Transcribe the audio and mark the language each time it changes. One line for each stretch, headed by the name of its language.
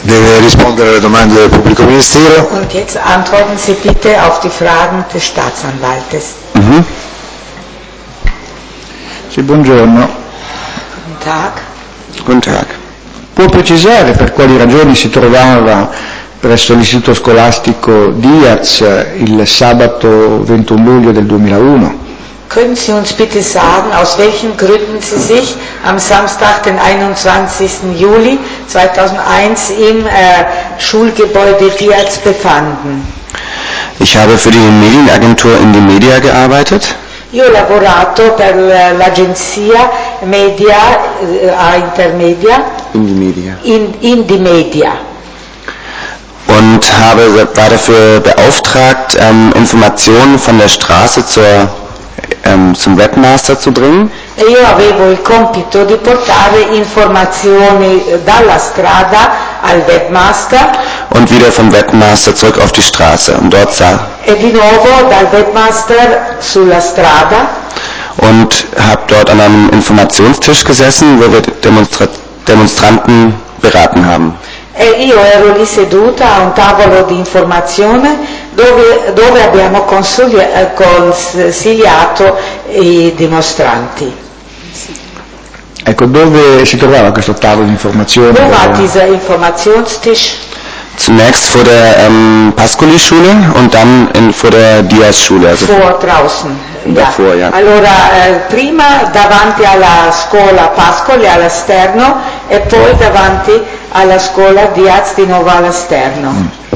Italian: Deve rispondere alle domande del pubblico ministero.
German: Und jetzt antworten Sie bitte auf die Fragen des Staatsanwaltes. Mhm.
Italian: Sì, buongiorno.
German: Guten Tag. Guten Tag.
Italian: Può precisare per quali ragioni si trovava presso l'istituto scolastico Diaz il sabato 21 luglio del 2001?
German: Können Sie uns bitte sagen, aus welchen Gründen Sie sich am Samstag, den 21. Juli 2001, im Schulgebäude Diaz befanden? Ich habe für die Medienagentur in die Media gearbeitet.
Italian: Io ho lavorato per l'agenzia media a Intermedia.
German: In die Media. In die Media. Und habe war dafür beauftragt, Informationen von der Straße zum Webmaster zu bringen.
Italian: E io avevo il compito di portare informazioni dalla strada al webmaster.
German: Und wieder vom Webmaster zurück auf die Straße und dort sah.
Italian: E di nuovo dal webmaster sulla strada.
German: Und habe dort an einem Informationstisch gesessen, wo wir Demonstranten beraten haben.
Italian: E io ero lì seduta a un tavolo di informazione dove abbiamo consigliato i dimostranti. Ecco, dove si trovava questo tavolo di informazione?
German: Dove war dieser Informationstisch? Zunächst vor der Pascoli-Schule und dann vor der Diaz-Schule. Also vor draußen. Davor, ja.
Italian: Allora, prima davanti alla scuola Pascoli all'esterno e poi davanti alla scuola Diaz di nuovo all'esterno.